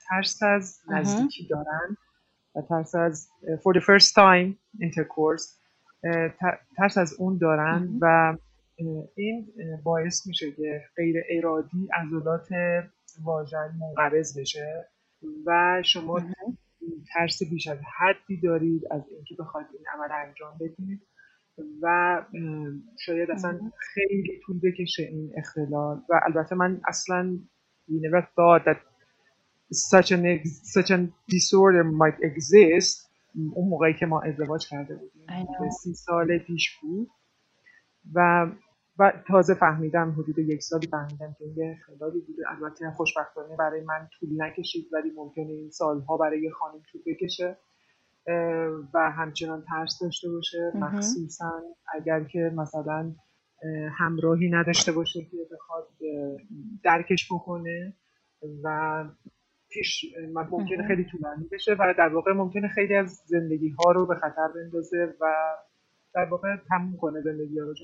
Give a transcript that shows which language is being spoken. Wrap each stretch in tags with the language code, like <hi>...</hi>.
<fa>ترس از نزدیکی دارن، ترس از</fa> <en>for the first time intercourse،</en> <fa>ترس از اون دارن و این باعث میشه که غیر ارادی عضلات واژن منقبض بشه و شما ترس بیش از حدی دارید از اینکه بخواید این عمل انجام بدید و شاید اصلا خیلی طول بکشه این اختلال. و البته من اصلا</fa> <en>We never thought that such a disorder might exist.</en> <fa>اون موقعی که ما ازدواج کرده بودیم 3 سال پیش بود و تازه فهمیدم حدود 1 سال فهمیدم که این اختلالی بوده. البته خوشبختانه برای من طول نکشید ولی ممکنه این سالها برای یه خانم طول بکشه و همچنان ترس داشته باشه مخصوصا اگر که مثلا همراهی نداشته باشه که بخواد درکش بکنه و پیش ممکنه خیلی طولانی بشه و در واقع ممکنه خیلی از زندگی ها رو به خطر بندازه و در واقع تموم کنه زندگی ها رو.</fa>